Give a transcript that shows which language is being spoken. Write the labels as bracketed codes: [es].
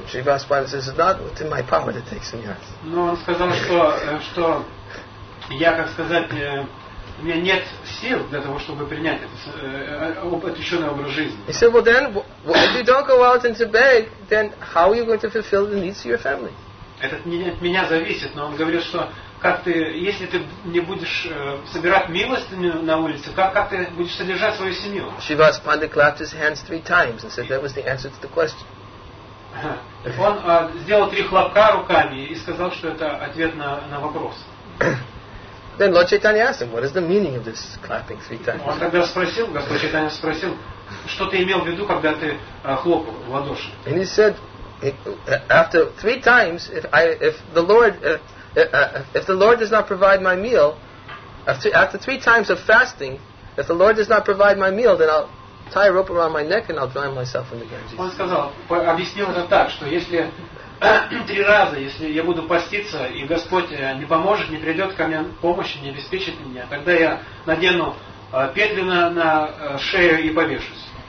[en] Шивасу Пандит says, it's not within my power to take саньясу. [ru] Но он сказал, что я, как сказать, у меня нет сил для того, чтобы принять этот отвеченный образ жизни. [en] He said, well then, if you don't go out and to beg, then how are you going to fulfill the needs of your family? [ru] Это не от меня зависит, но он говорит, что если ты не будешь собирать милостыню на улице, как ты будешь содержать свою семью? [en] Shivas Pandit clapped his hands three times and said that was the answer to the question. [ru] Он сделал три хлопка руками и сказал, что это ответ на вопрос. [en] Then Lord Chaitanya asked him, what is the meaning of this clapping three times? [ru] Он тогда спросил, Господь Чайтанья спросил, что ты имел в виду, когда ты хлопал в ладоши? [en] And he said, after three times, if the Lord does not provide my meal, after three times of fasting, if the Lord does not provide my meal, then I'll tie a rope around my neck and I'll drown myself in the Ganges. [ru] Он сказал, объяснил это так, что если три раза, если я буду поститься и Господь не поможет, не придет ко мне помощи, не обеспечит меня, тогда я надену петли на шею и повешусь.